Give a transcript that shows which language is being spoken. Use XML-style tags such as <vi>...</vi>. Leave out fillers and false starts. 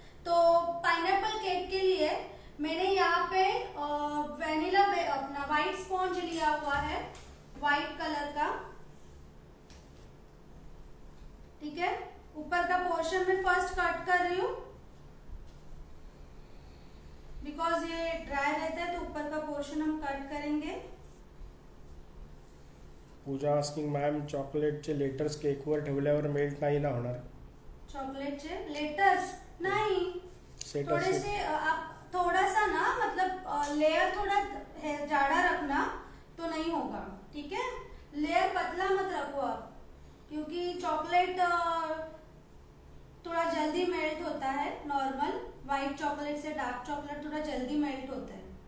<hi>तो pineapple cake के लिए मैंने यहाँ पे वेनिला अपना व्हाइट स्पॉन्ज लिया हुआ है, व्हाइट कलर का, ठीक है। ऊपर का पोर्शन में फर्स्ट कट कर रही हूं बिकॉज ये ड्राई रहता है, तो ऊपर का पोर्शन हम कट करेंगे।</hi> <mr>पूजा आस्किंग मैम, चॉकलेट चे लेटर्स केक वर ठेवल्यावर मेल्ट नाही ना होणार? चॉकलेट चे लेटर्स नाही,</mr> <hi>थोड़े से आप थोड़ा सा ना, मतलब लेयर थोड़ा है जाड़ा रखना तो नहीं होगा, ठीक है। लेयर पतला मत रखो आप, क्योंकि चॉकलेट थोड़ा जल्दी मेल्ट होता है, नॉर्मल व्हाइट चॉकलेट से डार्क चॉकलेट थोड़ा जल्दी मेल्ट होता है।</hi>